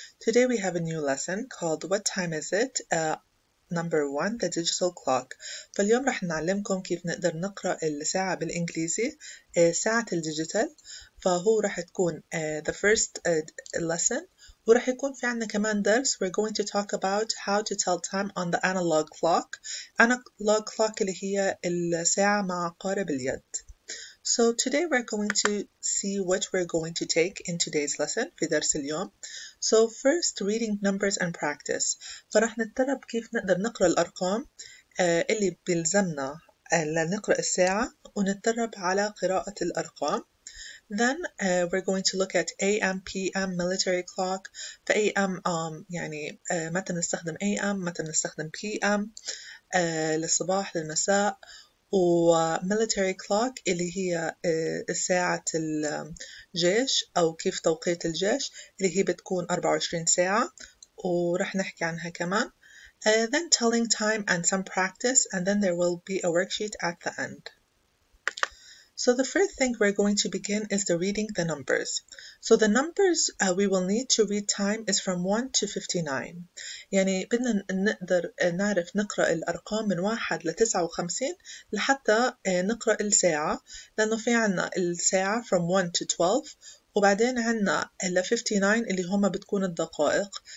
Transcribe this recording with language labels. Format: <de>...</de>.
<en>Today we have a new lesson called What Time Is It? Number 1, The Digital Clock.</en> <ar>فاليوم رح نعلمكم كيف نقدر نقرأ الساعة بالإنجليزي ساعة الديجيتال. فهو رح تكون</ar> <en>the first lesson.</en> <ar>ورح يكون في عنا كمان درس.</ar> <en>We're going to talk about how to tell time on the analog clock.</en> <ar>Analog clock اللي هي الساعة مع قارب اليد.</ar> <en>So today we're going to see what we're going to take in today's lesson</en> <ar>في درس اليوم.</ar> <en>So first, reading numbers and practice.</en> <ar>فرح نتدرب كيف نقدر نقرأ الأرقام اللي بيلزمنا لنقرأ الساعة ونتدرب على قراءة الأرقام.</ar> <en>Then we're going to look at AM, PM, military clock.</en> <ar>فAM يعني متى نستخدم AM, متى نستخدم PM للصباح للمساء. وميليتري كلوك اللي هي ساعة الجيش أو كيف توقيت الجيش اللي هي بتكون 24 ساعة ورح نحكي عنها كمان.</ar> <en>Then telling time and some practice and then there will be a worksheet at the end. So the first thing we're going to begin is the reading the numbers. So the numbers we will need to read time is from 1 to 59.</en> <ar>يعني بدنا نقدر نعرف نقرأ الأرقام من 1 ل 59 لحتى نقرأ الساعة. لأنه في عنا الساعة</ar> <en>from 1 to 12</en> <ar>وبعدين عنا ل 59 اللي هما بتكون الدقائق.</ar>